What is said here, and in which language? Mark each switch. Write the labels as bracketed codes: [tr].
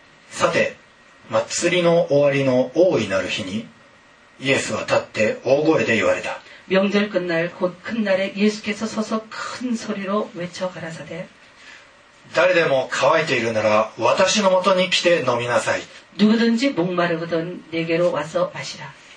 [ja] さて祭りの終わりの大いなる日にイエスは立って大声で言われた [ko] 명절 끝날 곧 큰 날에 예수께서 서서 큰 소리로 외쳐 가라사대 [ja] 誰でも乾いているなら私のもとに来て飲みなさい [ko] 누구든지 목마르거든 내게로 와서 마시라